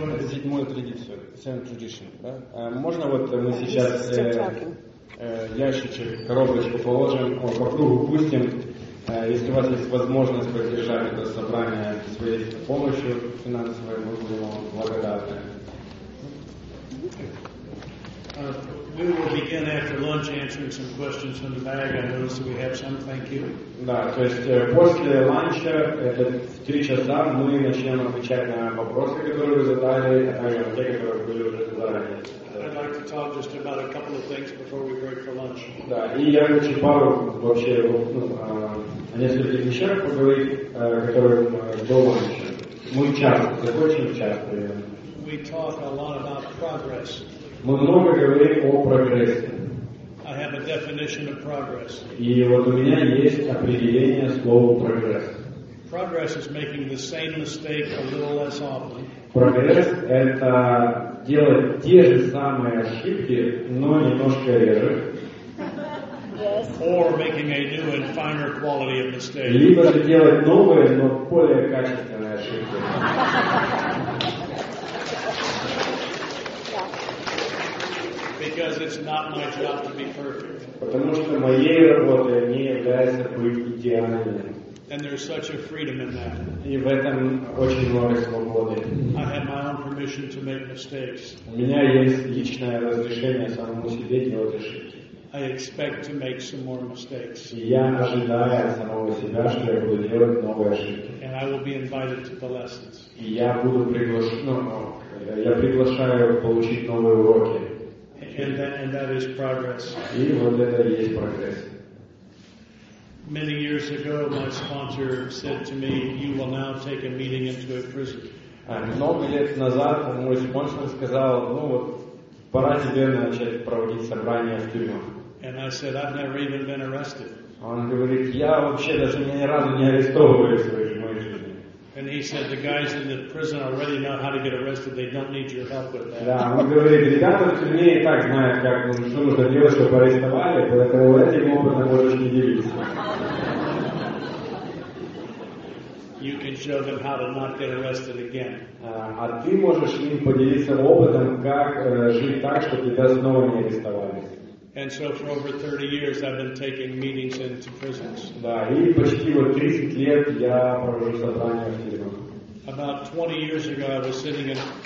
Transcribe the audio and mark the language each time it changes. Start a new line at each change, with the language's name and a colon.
Russian: Седьмой традиция,
English: seventh tradition,
Russian: да? Можно вот мы сейчас ящичек, коробочку положим, по кругу пустим. Если у вас есть возможность поддержать это собрание своей помощью финансовой, мы будем вам благодарны.
English: We will begin after lunch answering some questions from the bag. I noticed that we have some. Thank you.
Russian: Да, то есть после ланча, это в 3 часа, мы начнем отвечать на вопросы, которые вы задали, а также на те, которые были уже задали.
English: I'd like to talk just about a couple of things before we break for lunch.
Russian: Да, и я хочу пару вообще о нескольких вещах поговорить, которые до ланча. Мы часто, очень часто.
English: We talk a lot about progress.
Russian: Мы много говорим о прогрессе.
English: I have a definition of progress.
Russian: И вот у меня есть определение слова прогресс.
English: Progress is making the same mistake a little less often.
Russian: Прогресс — это делать те же самые ошибки, но немножко реже.
English: Yes. Or making a new and finer quality of mistake.
Russian: Либо же делать новые, но более качественные ошибки.
English: Because it's not my job to be perfect.
Russian: Потому что моей работой не является быть идеальным.
English: And there's such a freedom in that.
Russian: И в этом очень много свободы.
English: I have my own permission to make mistakes.
Russian: У меня есть личное разрешение самому себе делать ошибки.
English: I expect to make some more mistakes.
Russian: И я ожидаю от самого себя, что я буду делать новые ошибки.
English: And I will be invited to the lessons.
Russian: И я буду приглашен. Я приглашаю получить новые уроки.
English: And that is progress.
Russian: И вот это и есть прогресс.
English: Many years ago, my sponsor said to me, "You will now take a meeting into a prison."
Russian: Много лет назад мой спонсор сказал, ну вот пора тебе начать проводить собрания в тюрьмах.
English: And I said, "I've never even been arrested."
Russian: Он говорит, я вообще даже меня ни разу не арестовывали в своей жизни.
English: And he said, "The guys in the prison already know how to get arrested. They don't need your help with that."
Russian: Да, он говорит, ребята в тюрьме и так знают, как что нужно делать, чтобы арестовали, поэтому этим опытом можешь не делиться.
English: You can show them how to not get arrested again.
Russian: А ты можешь им поделиться опытом, как жить так, чтобы тебя снова не арестовали.
English: And so for over 30 years I've been taking meetings into prisons.
Russian: Да, и почти вот 30 лет я провожу собрания в тюрьмах.
English: About 20 years ago I was sitting in...